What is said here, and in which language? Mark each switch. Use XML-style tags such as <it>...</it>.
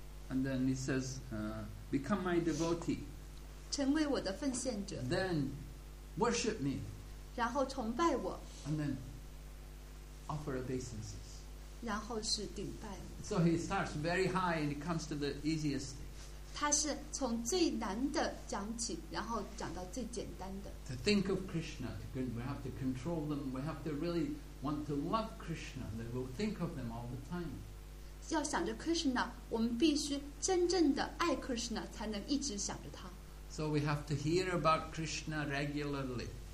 <en>And then he says, become my devotee.</en> <zh>成为我的奉献者。</zh> <en>Then worship me.</en> <zh>然后崇拜我。</zh> <en>And then offer obeisances.</en> <zh>然后是顶拜。</zh> <en>So he starts very high and he comes to the easiest thing.</en> <zh>他是从最难的讲起, 然后讲到最简单的。</zh> <en>To think of Krishna, we have to control them, we have to really want to love Krishna, that we'll think of them all the time.</en> <zh>要想着 Krishna, 我们必须真正的爱 Krishna, 才能一直想着他。</zh> <en>So we have to hear about Krishna regularly.</en>